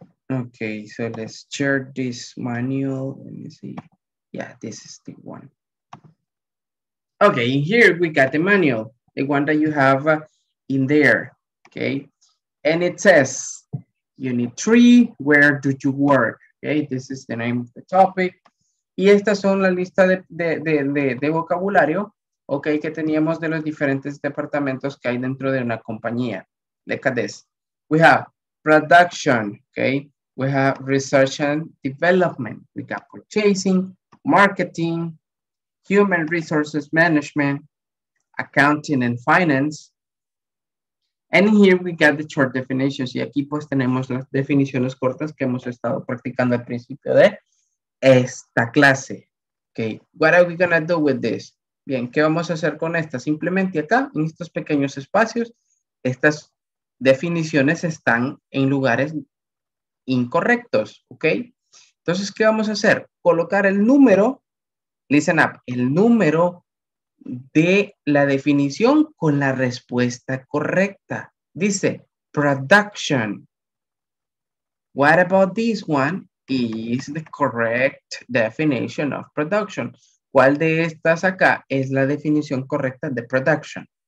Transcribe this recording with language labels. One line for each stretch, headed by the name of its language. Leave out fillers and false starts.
English: Okay, so let's share this manual. Let me see. Yeah, this is the one. Okay, here we got the manual, the one that you have in there. Okay. And it says, Unit 3, where do you work? Okay, this is the name of the topic.
Spanish: Y estas son la lista de vocabulario, okay, que teníamos de los diferentes departamentos que hay dentro de una compañía.
English: Look at this. We have production, okay. We have research and development. We got purchasing, marketing, human resources management, accounting and finance. And here we got the short definitions.
Spanish: Y aquí pues tenemos las definiciones cortas que hemos estado practicando al principio de esta clase.
English: Okay, what are we gonna do with this?
Spanish: Bien, ¿qué vamos a hacer con esta? Simplemente acá, en estos pequeños espacios, estas definiciones están en lugares incorrectos, okay? Entonces, ¿qué vamos a hacer? Colocar el número,
English: listen up,
Spanish: el número de la definición con la respuesta correcta. Dice, production. What about this one is the correct definition of production? ¿Cuál de estas acá es la definición correcta de production?